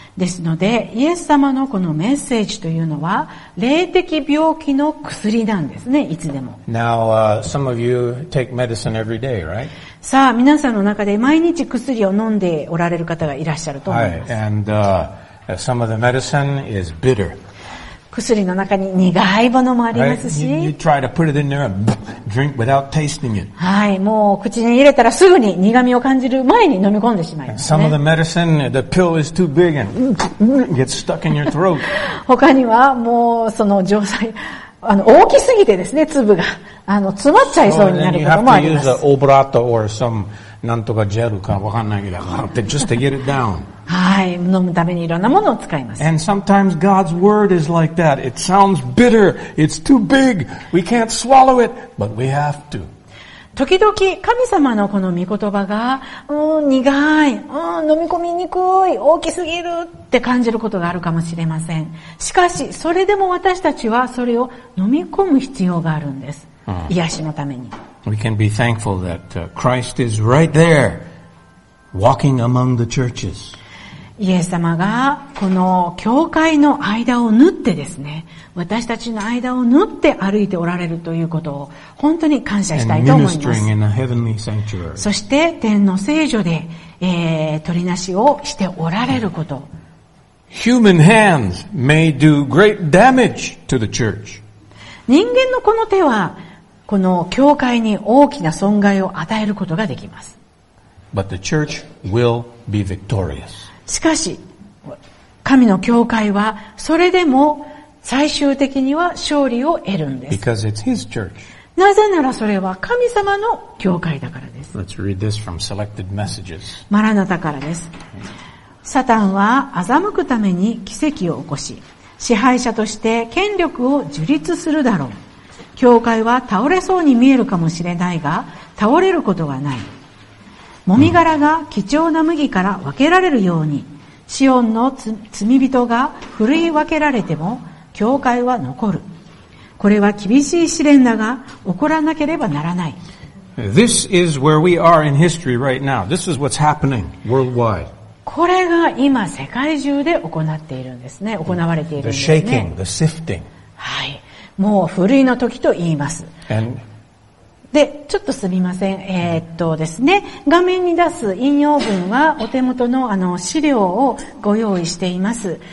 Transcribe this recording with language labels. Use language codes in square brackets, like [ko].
[ja] ですのでイエス様のこのメッセージというのは霊的病気の薬なんですねいつでも [en] Now, some of you take medicine every day, right? [ja] さあ皆さんの中で毎日薬を飲んでおられる方がいらっしゃると思います、 [en] はい、And, some of the medicine is bitter. [ja] 薬の中に苦いものもありますし、 [en] right? you try to put it in there and drink without tasting it. [ja] はい、もう口に入れたらすぐに苦味を感じる前に飲み込んでしまいますね。 [en] Some of the medicine, the pill is too big and gets stuck in your throat. [ja] 他にはもうその錠剤、大きすぎてですね、粒が詰まっちゃいそうになることもあります。 [en] So then you have to use a Obrato or some [ja] なんとかジェルかわかんないけど、 [en] just to get it down. [ja] はい、飲むためにいろんなものを使います。 [en] And sometimes God's word is like that. It sounds bitter. It's too big. We can't swallow it, but we have to. [ja] 時々神様のこの御言葉が、苦い、飲み込みにくい、大きすぎるって感じることがあるかもしれません。しかし、それでも私たちはそれを飲み込む必要があるんです。癒しのために。 [en] We can be thankful that Christ is right there, walking among the churches. [ja] イエス様がこの教会の間を縫ってですね、私たちの間を縫って歩いておられるということを本当に感謝したいと思います。 [en] And ministering in a heavenly sanctuary. [ja] そして天の聖所で、取りなしをしておられること。 [en] Human hands may do great damage to the church. [ja] 人間のこの手はこの教会に大きな損害を与えることができます。 [en] But the church will be victorious. [ja] しかし、神の教会はそれでも最終的には勝利を得るんです。 [en] Because it's his church. [ja] なぜならそれは神様の教会だからです。 [en] Let's read this from selected messages. [ja] マラナタからです。サタンは欺くために奇跡を起こし、支配者として権力を樹立するだろう。教会は倒れそうに見えるかもしれないが、倒れることはない。もみ殻が貴重な麦から分けられるように、シオンの罪人が振るい分けられても、教会は残る。これは厳しい試練だが、起こらなければならない。 [en] This is where we are in history right now. This is what's happening worldwide. [ja] これが今世界中で行っているんですね。行われているんですね。 [en] The shaking, the sifting. [ja] はい。もう古いの時と言います。 [en] And、 [ja] で、ちょっとすみません。ですね、画面に出す引用文はお手元の資料をご用意しています。